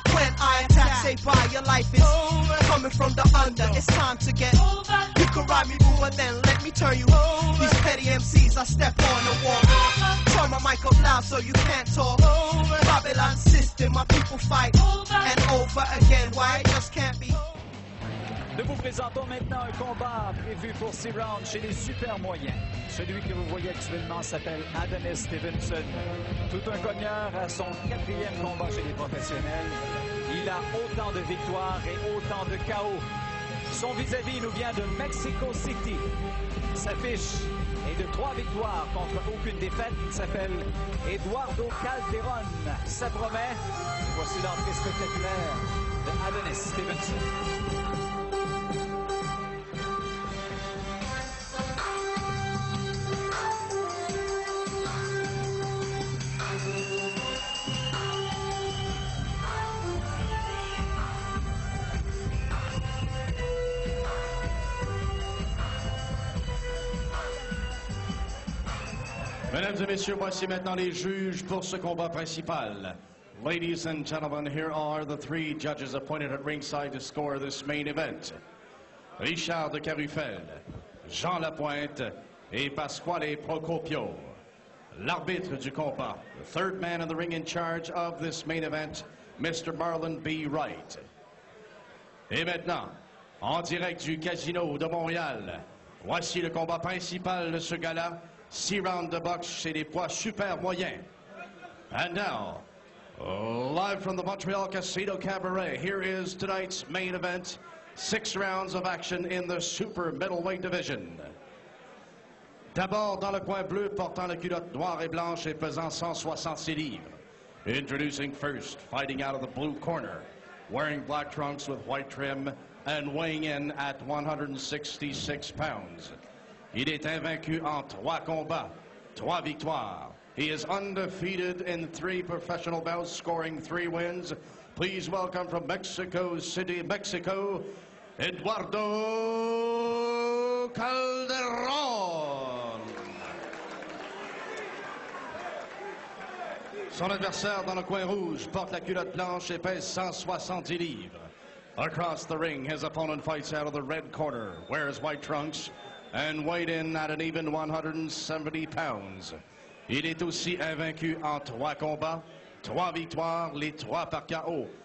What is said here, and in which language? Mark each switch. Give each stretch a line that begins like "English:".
English: When I attack, say bye, your life is over. Coming from the under, it's time to get over. You can ride me through and then let me turn you over. These petty MCs, I step on the wall over. Turn my mic up loud so you can't talk over. Babylon system, my people fight over. And over again, why it just can't be.
French: Nous vous présentons maintenant un combat prévu pour 6 rounds chez les super moyens. Celui que vous voyez actuellement s'appelle Adonis Stevenson. Tout un cogneur à son 4e combat chez les professionnels. Il a autant de victoires et autant de chaos. Son vis-à-vis nous vient de Mexico City. Sa fiche est de 3 victoires contre aucune défaite. Il s'appelle Eduardo Calderon. Ça promet. Voici l'entrée spectaculaire de Adonis Stevenson. Mesdames et messieurs, voici maintenant les juges pour ce combat principal.
English: Ladies and gentlemen, here are the 3 judges appointed at ringside to score this main event.
French: Richard de Carufel, Jean Lapointe et Pasquale Procopio. L'arbitre du combat,
English: the 3rd man in the ring in charge of this main event, Mr. Marlon B. Wright.
French: Et maintenant, en direct du casino de Montréal, voici le combat principal de ce gala. 6 rounds de boxe chez les poids super moyens.
English: And now, live from the Montreal Casino Cabaret, here is tonight's main event. 6 rounds of action in the super middleweight division.
French: D'abord dans le coin bleu, portant la culotte noire et blanche et pesant 166 livres.
English: Introducing first, fighting out of the blue corner, wearing black trunks with white trim and weighing in at 166 pounds.
French: Il est invaincu en 3 combats, 3 victoires.
English: He is undefeated in 3 professional bouts, scoring 3 wins. Please welcome from Mexico City, Mexico, Eduardo Calderon.
French: Son adversaire dans le coin rouge porte la culotte blanche et pèse 170 livres.
English: Across the ring, his opponent fights out of the red corner, wears white trunks, and weighed in at an even 170 pounds.
French: Il est aussi invaincu en 3 combats, 3 victoires, les 3 par KO.